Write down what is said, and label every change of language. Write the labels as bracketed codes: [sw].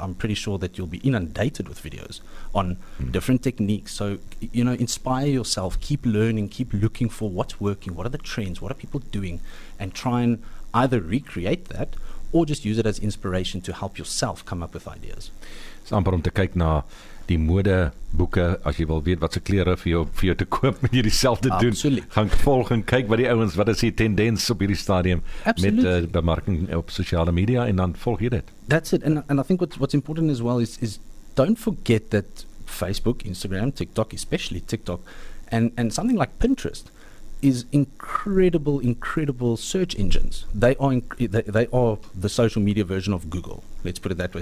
[en] I'm pretty sure that you'll be inundated with videos on different techniques. So, you know, inspire yourself, keep learning, keep looking for what's working, what are the trends, what are people doing, and try and either recreate that or just use it as inspiration to help yourself come up with ideas. So I'm going to [af] kijk na die mode boeke, as jy wil weet wat se klere vir jou te koop, moet jy dieselfde doen. Gaan volg en kyk wat die ouens, wat is die tendens op hierdie stadium. [en] Absolutely. [af] Met bemarking op sosiale media, en dan volg jy dit. [en] That's it. And I think what's important as well is don't forget that Facebook, Instagram, TikTok, especially TikTok, and something like Pinterest is incredible search engines. They are the social media version of Google. Let's put it that way.